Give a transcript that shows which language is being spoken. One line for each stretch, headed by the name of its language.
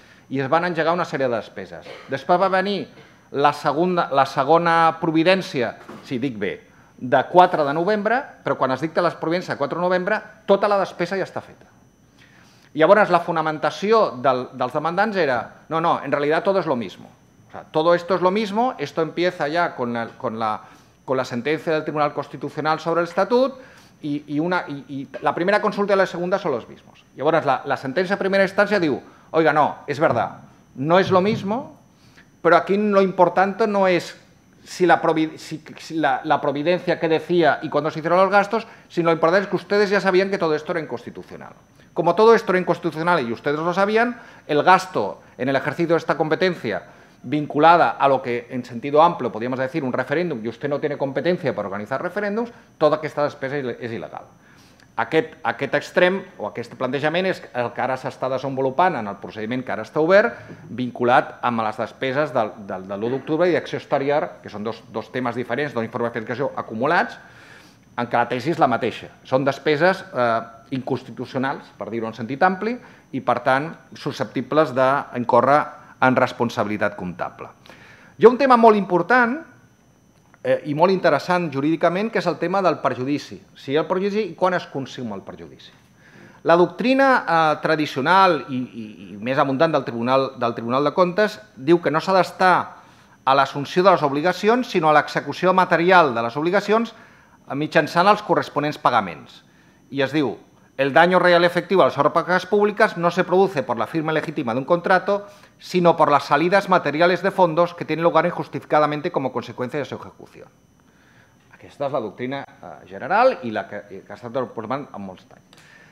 Catalan: I es van engegar una sèrie de despeses. Després va venir la segona providència, si dic bé, de 4 de novembre, però quan es dicta la providència de 4 de novembre, tota la despesa ja està feta. Llavors, la fonamentació dels demandants era no, no, en realitat tot és
Spanish: lo mismo. O sea, todo esto es lo mismo, esto empieza ya con la sentencia del Tribunal Constitucional sobre el Estatut y la primera consulta y la segunda son los mismos. Llavors, la sentencia de primera instància diu, oiga, no, és verdad, no és lo mismo, però aquí lo importante no és si la providencia que decía y cuando se hicieron los gastos, sino lo importante es que ustedes ya sabían que todo esto era inconstitucional. Como todo esto era inconstitucional y ustedes lo sabían, el gasto en el ejercicio de esta competencia vinculada a lo que en sentido amplio podríamos decir un referéndum y usted no tiene competencia para organizar referéndums, toda esta despesa es ilegal.
Catalan: Aquest extrem o aquest plantejament és el que ara s'està desenvolupant en el procediment que ara està obert vinculat amb les despeses de l'1 d'octubre i d'acció exterior, que són dos temes diferents d'un informe de fiscalització acumulats, en què la tesi és la mateixa. Són despeses inconstitucionals, per dir-ho en sentit ampli, i per tant susceptibles d'incórrer en responsabilitat comptable. Hi ha un tema molt important i molt interessant jurídicament, que és el tema del perjudici. Si hi ha el perjudici i quan es consuma el perjudici. La doctrina tradicional i més abundant del Tribunal de Comptes diu que no s'ha d'estar a l'assumpció de les obligacions, sinó a l'execució material de les obligacions mitjançant els corresponents pagaments. I es diu,
Spanish: el daño real efectivo a las arcas públicas no se produce por la firma legítima de un contrato, sino por las salidas materiales de fondos que tienen lugar injustificadamente como consecuencia de su ejecución.
Catalan: Aquesta és la doctrina general i la que ha estat proposant en molts anys.